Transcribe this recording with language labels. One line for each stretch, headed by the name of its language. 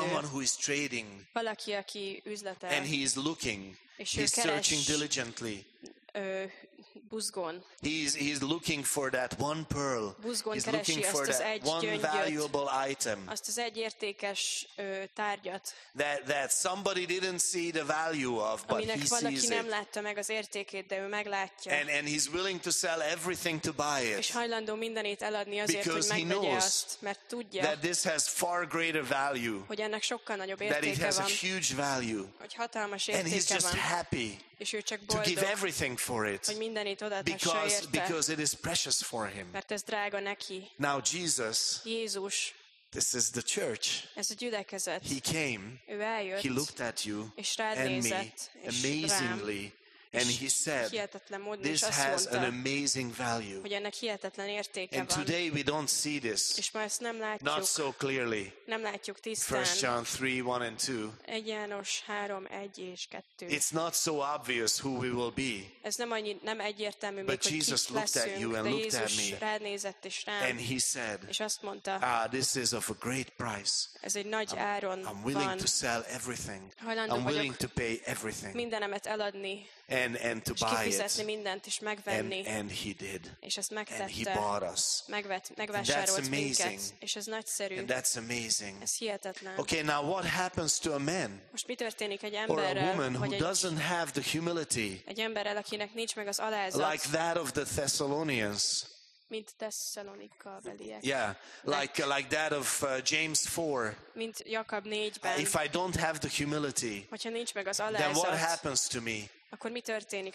English: It's someone who is trading.
Hungarian: Valaki, aki üzletel.
English: And he is looking.
Hungarian: És
English: he's searching diligently.
Hungarian: Buzgón.
English: He's looking for that one pearl.
Hungarian: Buzgón
English: he's
Hungarian: keresi
English: looking for
Hungarian: azt az
English: that one valuable item.
Hungarian: Azt az egy értékes tárgyat.
English: That somebody didn't see the value of, but he sees it.
Hungarian: Aminek valaki nem látta meg az értékét, de ő meglátja.
English: And he's willing to sell everything to buy it.
Hungarian: És hajlandó mindenét eladni azért,
English: because
Hungarian: hogy megvegye azt, mert tudja.
English: That this has far greater value.
Hungarian: Hogy ennek sokkal nagyobb értéke van.
English: That it has a huge value.
Hungarian: Hogy hatalmas értéke van.
English: And he's just happy.
Hungarian: És ő csak boldog,
English: to give everything for it,
Hungarian: hogy mindenit odaadhassa érte,
English: because it is precious for him.
Hungarian: Mert ez drága neki.
English: Now Jesus,
Hungarian: Jézus,
English: this is the church.
Hungarian: Ez a gyülekezet.
English: He came.
Hungarian: Ő eljött.
English: He looked at you
Hungarian: és rád
English: and
Hungarian: nézett,
English: me, amazingly, and he said, this has
Hungarian: mondta,
English: an amazing value.
Hungarian: Hogy ennek hihetetlen értéke
English: and
Hungarian: van.
English: Today we don't see this.
Hungarian: És ma ezt nem látjuk.
English: Not so clearly.
Hungarian: Nem látjuk tisztán.
English: 1 John 3:1-2.
Hungarian: 1 János 3:1-2.
English: It's not so obvious who we will be.
Hungarian: Ez nem annyi, nem egyértelmű,
English: but Jesus looked
Hungarian: leszünk,
English: at you and looked at me.
Hungarian: Rád nézett és rám,
English: and he said,
Hungarian: és azt mondta,
English: this is of a great price.
Hungarian: Ez egy nagy áron
English: I'm willing
Hungarian: van.
English: To sell everything.
Hungarian: Hajlandó
English: I'm willing to pay everything.
Hungarian: Mindenemet eladni.
English: And to buy it. And he did.
Hungarian: És ezt megtette.
English: And he bought us.
Hungarian: Megvásárolt minket.
English: That's amazing.
Hungarian: És ez nagyszerű.
English: And that's amazing.
Hungarian: Ez hihetetlen.
English: Okay, now what happens to a man?
Hungarian: Most mi történik egy emberrel,
English: or a woman who doesn't have the humility?
Hungarian: Egy emberrel, akinek nincs meg az alázat.
English: Like that of the Thessalonians.
Hungarian: Mint Tesszalonika beliek.
English: Yeah, like that of James 4.
Hungarian: Mint Jakab 4-ben.
English: If I don't have the humility,
Hungarian: hogyha nincs meg az alázat,
English: then what happens to me?
Hungarian: Akkor mi történik?